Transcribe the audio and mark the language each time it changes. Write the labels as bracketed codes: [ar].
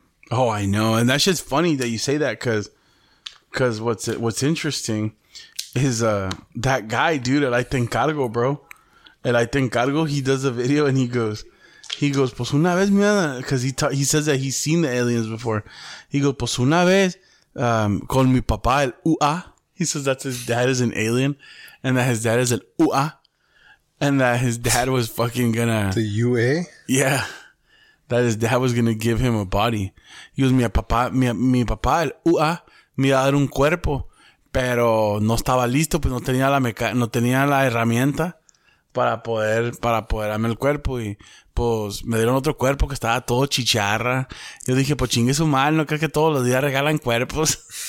[en] Oh, I know, and that's just funny that you say that because what's interesting is that guy, dude, at I think cargo, bro. And I think Cargo, he does a video and he goes, [es] pues una vez, mira, [en] because he says that he's seen the aliens before. He goes, [es] pues una vez, con mi papá, el UA. [en] He says that his dad is an alien and that his dad is an UA and that his dad was fucking gonna. The UA? Yeah. That his dad was gonna give him a body. He goes, [es] mi papá, el UA, me iba a dar un cuerpo, pero no estaba listo, pues no tenía la herramienta. Para poder darme el cuerpo y pues me dieron otro cuerpo que estaba todo chicharra. Yo dije, pues chingue su mal, no creo que todos los días regalan cuerpos.